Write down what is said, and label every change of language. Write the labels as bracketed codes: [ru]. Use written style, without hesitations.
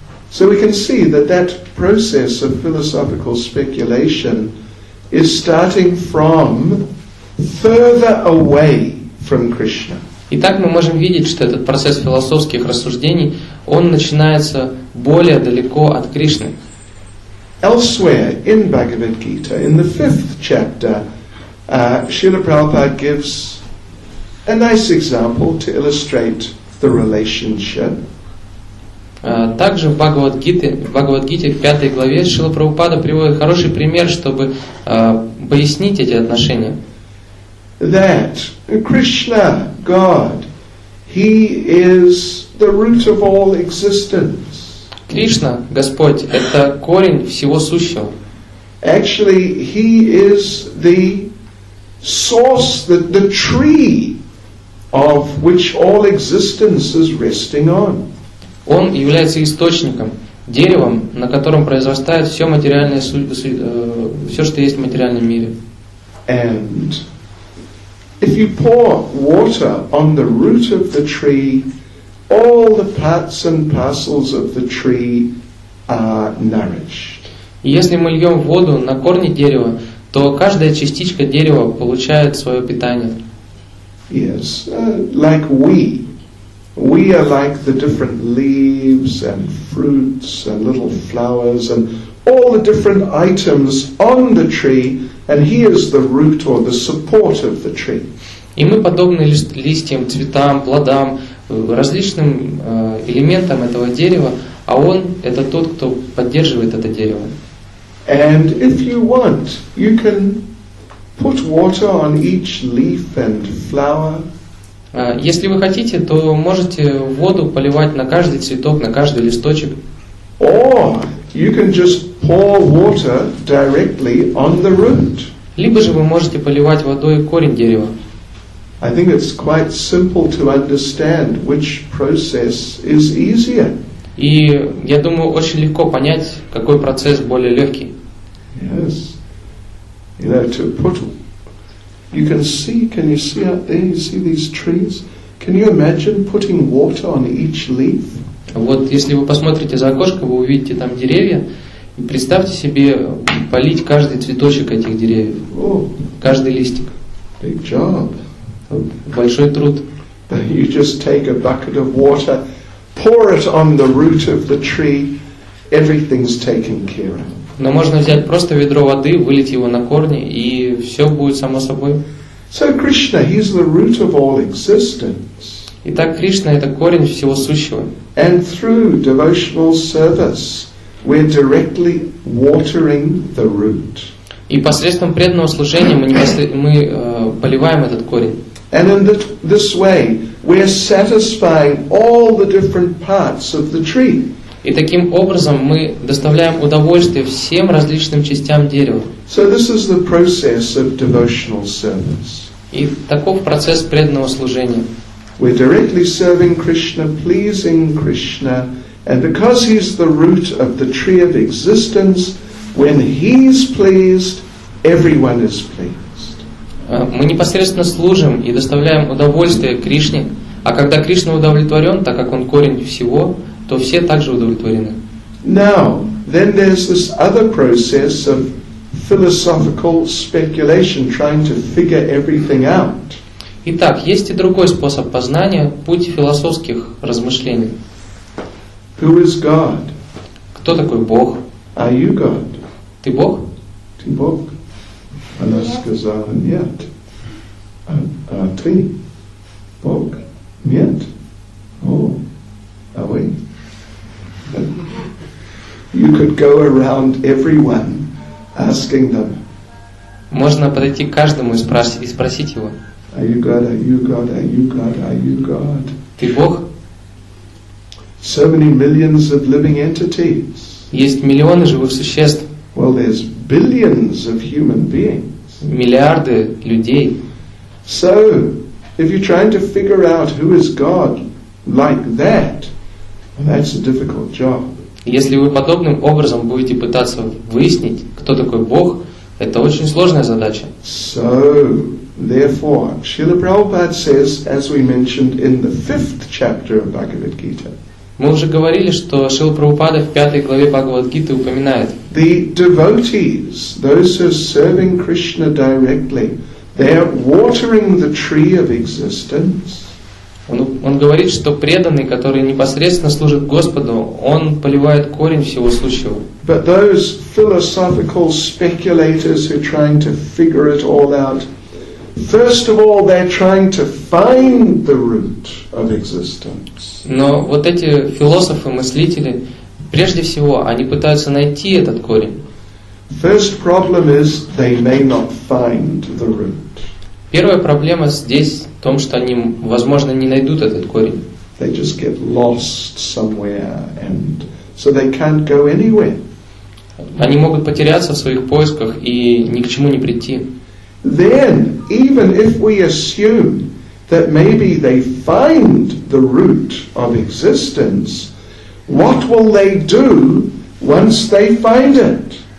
[en] So we can see that that process of philosophical speculation is starting from further away from Krishna. [ru] Итак, мы можем видеть, что этот процесс философских рассуждений, он начинается более далеко от Кришны. [en] Elsewhere in Bhagavad Gita, in the fifth chapter, Srila Prabhupada gives a nice example to illustrate the relationship. [ru] Также в Бхагавад-гите, в пятой главе, Шрила Прабхупада приводит хороший пример, чтобы пояснить эти отношения. [en] That Krishna, God, He is the root of all existence. [ru] Кришна, Господь, это корень всего сущего. [en] Actually, He is the source, the tree of which all existence is resting on. [ru] Он является источником, деревом, на котором произрастает все материальное, все, что есть в материальном мире. [en] And if you pour water on the root of the tree, all the parts and parcels of the tree are nourished. [ru] Если мы льем воду на корни дерева, то каждая частичка дерева получает свое питание. [en] Yes, like we. We are like the different leaves and fruits and little flowers and all the different items on the tree, and he is the root or the support of the tree. [ru] И мы подобны листьям, цветам, плодам, различным элементам этого дерева, а он это тот, кто поддерживает это дерево. [en] And if you want, you can put water on each leaf and flower. [ru] Если вы хотите, то можете воду поливать на каждый цветок, на каждый листочек. [en] Or you can just pour water directly on the root. [ru] Либо же вы можете поливать водой корень дерева. [en] I think it's quite simple to understand which process is easier. [ru] И я думаю, очень легко понять, какой процесс более легкий. [en] Yes. You know, to put. You can see, can you see out there, you see these trees? Can you imagine putting water on each leaf? [ru] Вот если вы посмотрите за окошко, вы увидите там деревья. И представьте себе полить каждый цветочек этих деревьев. Oh, каждый листик. [en] Big job. [ru] Большой труд. [en] You just take a bucket of water, pour it on the root of the tree, everything's taken care of. [ru] Но можно взять просто ведро воды, вылить его на корни, и все будет само собой. [en] So Krishna, he's the root of all existence. [ru] Итак, Кришна — это корень всего сущего. [en] And through devotional service, we're directly watering the root. [ru] И посредством преданного служения мы поливаем этот корень. [en] And in this way, we're satisfying all the different parts of the tree. [ru] И таким образом мы доставляем удовольствие всем различным частям дерева. [en] So this is the process of devotional service. [ru] И таков процесс преданного служения. [en] We're directly serving Krishna, pleasing Krishna, and because he's the root of the tree of existence, when he's pleased, everyone is pleased. [ru] Мы непосредственно служим и доставляем удовольствие Кришне, а когда Кришна удовлетворен, так как он корень всего, то все также удовлетворены. [en] Now, then there's this other process of philosophical speculation, trying to figure everything out. [ru] Итак, есть и другой способ познания, путь философских размышлений. [en] Who is God? [ru] Кто такой Бог? [en] Are you God? [ru] Ты Бог? Ты Бог? Она сказала нет. А ты Бог? Нет. О, а вы? [en] You could go around everyone asking them. [ru] Можно подойти к каждому и спросить его. [en] Are you God? Are you God? Are you God? Are you God? [ru] Ты Бог? [en] So many millions of living entities. [ru] Есть миллионы живых существ. [en] Well, there's billions of human beings. [ru] Миллиарды людей. [en] So, if you're trying to figure out who is God like that, that's a difficult job. [ru] Если вы подобным образом будете пытаться выяснить, кто такой Бог, это очень сложная задача. [en] So, therefore, Srila Prabhupada says, as we mentioned in the fifth chapter of Bhagavad Gita. [ru] Мы уже говорили, что Шрила Прабхупада в пятой главе Бхагавад Гиты упоминает. [en] The devotees, those who are serving Krishna directly, they are watering the tree of existence. [ru] Он говорит, что преданный, который непосредственно служит Господу, он поливает корень всего сущего. [en] But those philosophical speculators who are trying to figure it all out, first of all, they're trying to find the root of existence. [ru] Но вот эти философы, мыслители, прежде всего, они пытаются найти этот корень. [en] First problem is they may not find the root. [ru] Первая проблема здесь в том, что они, возможно, не найдут этот корень. [en] They just get lost somewhere, and so they can't go anywhere. [ru] Они могут потеряться в своих поисках и ни к чему не прийти. [en] Then, even if we assume that maybe they find the root of existence, what will they do once they find it?